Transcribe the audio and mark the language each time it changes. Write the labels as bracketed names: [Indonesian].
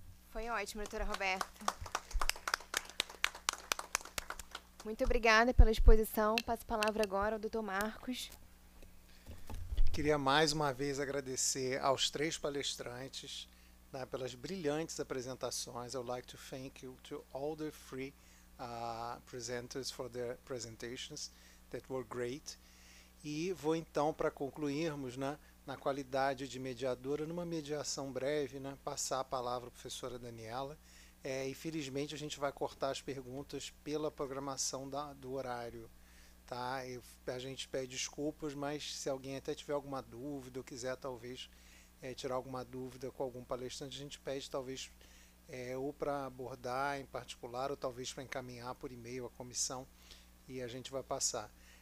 [Portuguese] Foi ótimo, doutora Roberta. Muito obrigada pela exposição. Passo a palavra agora ao doutor Marcos. Queria mais uma vez agradecer aos três palestrantes, né, pelas brilhantes apresentações. [English] I would like to thank you to all the three presenters for their presentations that were great. [Portuguese] E vou então, para concluirmos, né, na qualidade de mediadora, numa mediação breve, né, passar a palavra à professora Daniela. Infelizmente, a gente vai cortar as perguntas pela programação do horário. Tá? A gente pede desculpas, mas se alguém até tiver alguma dúvida ou quiser, talvez, tirar alguma dúvida com algum palestrante, a gente pede talvez ou para abordar em particular ou talvez para encaminhar por e-mail a comissão e a gente vai passar.